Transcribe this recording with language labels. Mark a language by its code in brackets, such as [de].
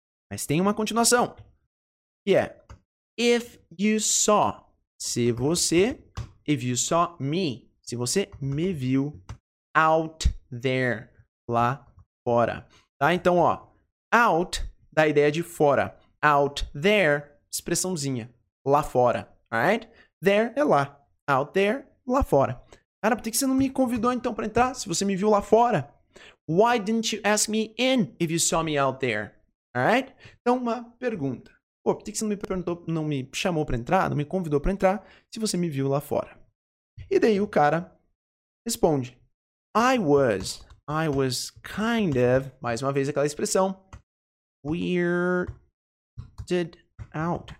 [pt] Mas tem uma continuação. Que é, if you saw, se você, [en] if you saw me, [pt] se você me viu out there, lá fora. Tá? Então, ó. Out, dá a ideia de fora. Out there, expressãozinha. Lá fora, alright? There é lá. Out there, lá fora. Cara, por que você não me convidou então pra entrar se você me viu lá fora? [en] Why didn't you ask me in if you saw me out there? [pt] Alright? Então, uma pergunta. Pô, por que você não me perguntou, não me chamou pra entrar, não me convidou pra entrar se você me viu lá fora? E daí o cara responde. [en] I was kind of, [pt] mais uma vez aquela expressão, weirded out.